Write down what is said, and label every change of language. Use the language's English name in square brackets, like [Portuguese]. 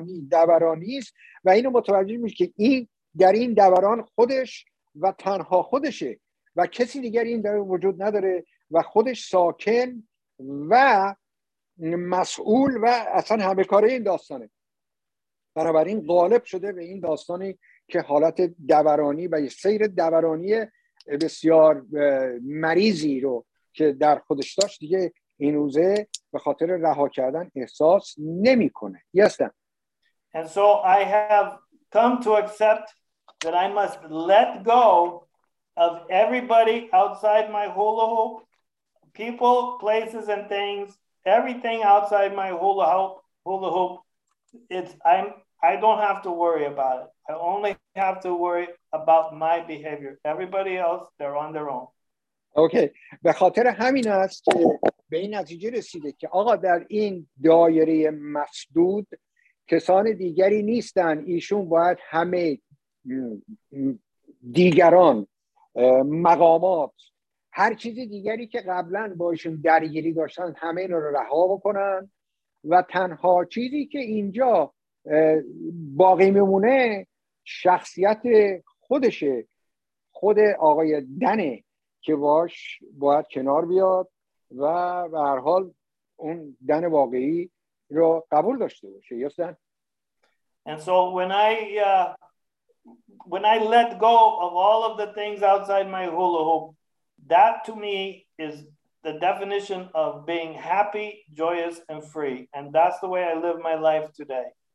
[Persian] است و اینو متوجه میشه که این در این دوران خودش و تنها خودشه و کسی دیگر این در وجود نداره و خودش ساکن و مسئول و اصلا همه کاره این داستانه. بنابراین غالب شده به این داستانی که حالت دورانی و سیر دورانی بسیار مریضی رو که در خودش داشت دیگه این روزه به خاطر رها کردن احساس نمی کنه. یستم. [English] And so I have come to accept that I must let go of everybody outside my hula hoop, people, places and things, everything outside my hula hoop. I don't have to worry about it. I only have to worry about my behavior. Everybody else, they're on their own. Okay. [Persian] به خاطر همین است که به این نتیجه رسیده که آقا در این دایره مسدود کسان دیگری نیستن. ایشون باید همه دیگران، مقامات، هر چیز دیگری که قبلا با ایشون درگیری داشتن همه اینا رو رها بکنن و تنها چیزی که اینجا باقی میمونه شخصیت خودشه، خود آقای دنه که باش باید کنار بیاد و به هر حال اون دن واقعی رو قبول داشته باشه. یست دن. [English] And so when I let go of all of the things outside my hula hoop, that to me is the definition of being happy, joyous and free, and that's the way I live my life today.